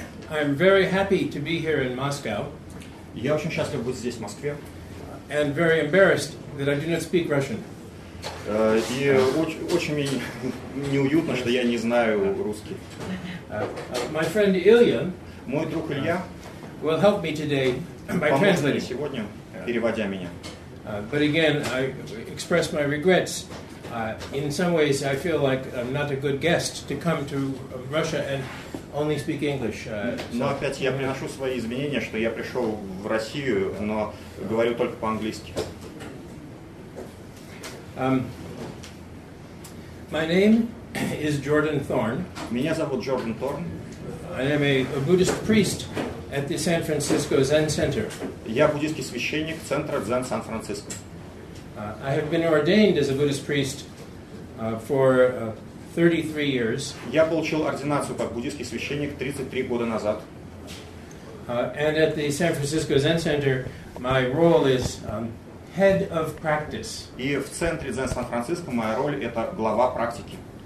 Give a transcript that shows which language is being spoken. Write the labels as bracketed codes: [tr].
[en] I'm very happy to be here in Moscow. [ru] Я очень счастлив быть здесь, в Москве. [en] And very embarrassed that I do not speak Russian. [ru] И очень неуютно, что я не знаю русский. [en] My friend Илья, [ru] мой друг Илья, [en] will help me today by translating. [ru] Сегодня переводя меня. [en] But again, I express my regrets. In some ways, I feel like I'm not a good guest to come to Russia and only speak English. [ru] Но опять я приношу свои извинения, что я пришел в Россию, но говорю только по-английски. [en] My name is Jordan Thorne. [ru] Меня зовут Джордан Торн. [en] I am a Buddhist priest at the San Francisco Zen Center. [ru] Я буддийский священник центра Дзен Сан-Франциско. [en] I have been ordained as a Buddhist priest for 33 years. [ru] Я получил ординацию как буддийский священник 33 года назад. [en] And at the San Francisco Zen Center, my role is head of practice. [ru] И в центре Дзен Сан-Франциско моя роль это глава практики.